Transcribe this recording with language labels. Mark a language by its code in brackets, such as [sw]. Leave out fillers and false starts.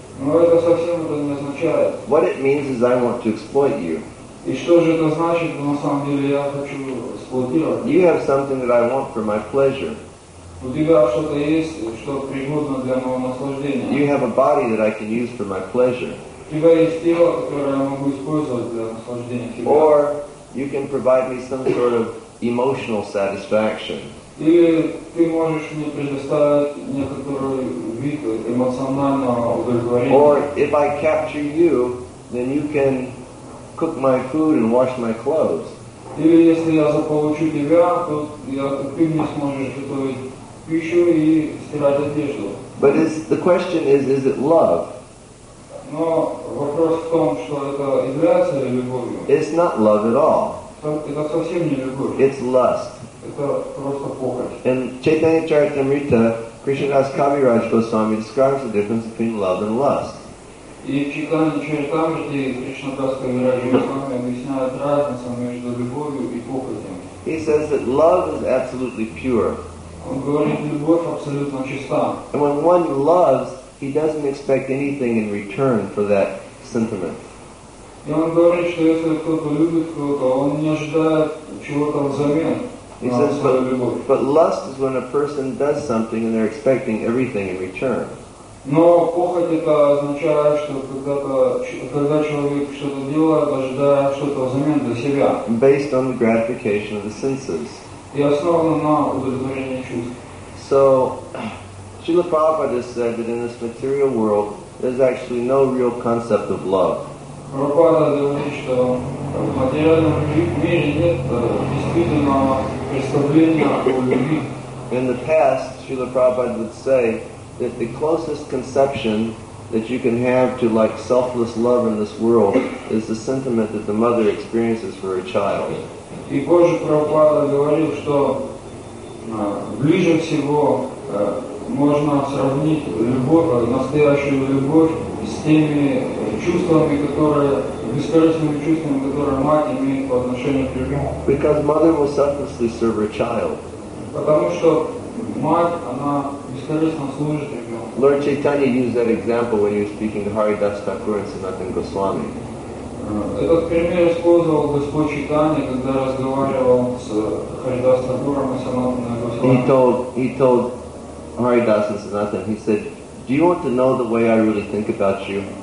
[en] What it means is I want to exploit you. [ru] И что же это значит, на самом деле я хочу эксплуатировать? [en] You have something that I want for my pleasure. [ru] У тебя что-то есть, что пригодно для моего наслаждения. [en] You have a body that I can use for my pleasure. [ru] У тебя есть тело, которое я могу использовать для наслаждения тебя. [en] Or you can provide me some sort of emotional satisfaction. [ru] Или ты можешь мне предоставить некоторый вид эмоционального удовлетворения. [en] Or if I capture you, then you can cook my food and wash my clothes. [ru] Или если я заполучу тебя, то я ты мне сможешь готовить пищу и стирать одежду. [en] But the question is it love? [ru] Но вопрос в том, что это является ли любовью? [en] It's not love at all. [ru] Это совсем не любовь. [en] It's lust. [ru] Это просто похоть. [en] In Chaitanya Charitamrita, Krishnadas Kaviraj Goswami describes the difference between love and lust. [ru] И в Чайтане Чаритамрите Кришнадас Кавираджа Госвами объясняет разницу между любовью и похотью. [en] He says that love is absolutely pure. [ru] Он говорит, любовь абсолютно чиста. [en] And when one loves, he doesn't expect anything in return for that sentiment. [ru] И он говорит, что если кто-то любит кого-то, он не ожидает чего-то взамен. [en] He says, but lust is when a person does something and they're expecting everything in return. [ru] Но похоть — это означает, что когда человек что-то делает, ожидая что-то взамен для себя. [en] Based on the gratification of the senses. [ru] И основано на удовлетворении чувств. [en] So, Srila Prabhupada said that in this material world, there's actually no real concept of love. [ru] Прабхупада говорит, что в материальном мире нет действительно представления о любви. [en] In the past, Srila Prabhupada would say that the closest conception that you can have to like selfless love in this world is the sentiment that the mother experiences for her child. [ru] И позже Прабхупада говорил, что ближе всего можно сравнить любовь, настоящую любовь, с теми чувствами, которые, бескорыстными чувствами, которые мать имеет по отношению к ребенку. [en] Because mother will selflessly serve her child. [ru] Потому что мать, она бескорыстно служит ребенку. [en] Lord Chaitanya used that example when he was speaking to Haridas Thakur and Sanatan Goswami. [ru] Этот пример использовал Господь Чайтанья, когда разговаривал с Харидас Тхакуром и Санатаном Госвами. [en] He told Haridas and Sanatan, he said, "Do you want to know the way I really think about you?"